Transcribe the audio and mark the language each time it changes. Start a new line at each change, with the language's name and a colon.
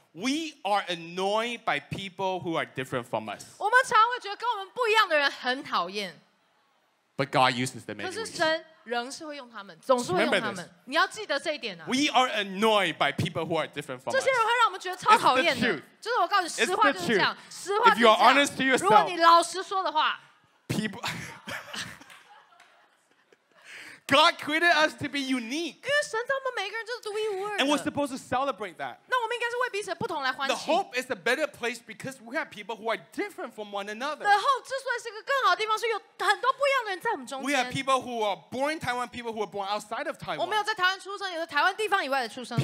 English: We are annoyed by people who are different from us.
Chinese: 我们常会觉得跟我们不一样的人很讨厌。
English: But God uses them anyway.
Chinese: 可是神仍是会用他们，总是会用他们。你要记得这一点啊。
English: We are annoyed by people who are different from us.
Chinese: 这些人会让我们觉得超讨厌的。就是我告诉你，实话就是这样。实话就是
English: If you are honest to yourself,
Chinese: 如果你老实说的话
English: ，people. God created us to be unique.
Chinese: 因为神造我们每个人就是独一无二的。
English: And we're supposed to celebrate that.
Chinese: 那我们应该是为彼此不同来欢喜。
English: The hope is a better place because we have people who are different from one another.
Chinese: 的 hope 之所以是一个更好的地方，是有很多不一样的人在我们中间。
English: We have people who are born Taiwan, people who are born outside of Taiwan.
Chinese: 我们有在台湾出生，有在台湾地方以外的出生的。